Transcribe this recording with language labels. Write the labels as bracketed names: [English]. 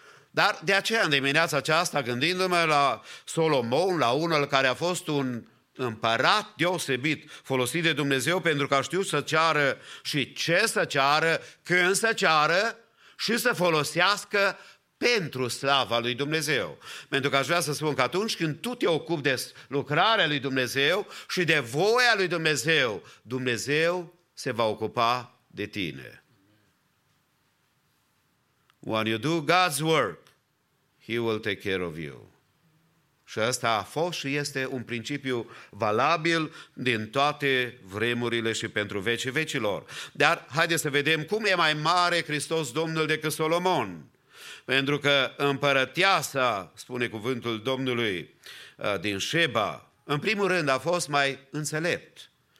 [Romanian] Dar de aceea în dimineața aceasta, gândindu-mă la Solomon, la unul care a fost un împărat deosebit, folosit de Dumnezeu pentru că a știut să ceară și ce să ceară, când să ceară și să folosească pentru slava lui Dumnezeu. Pentru că aș vrea să spun că atunci când tu te ocupi de lucrarea lui Dumnezeu și de voia lui Dumnezeu, Dumnezeu se va ocupa de tine. [English] When you do God's work, He will take care of you. [Romanian] Și asta a fost și este un principiu valabil din toate vremurile și pentru vecii vecilor. Dar haideți să vedem cum e mai mare Hristos Domnul decât Solomon. Pentru că împărăția sa, spune cuvântul Domnului din Sheba, în primul rând a fost mai înțelept.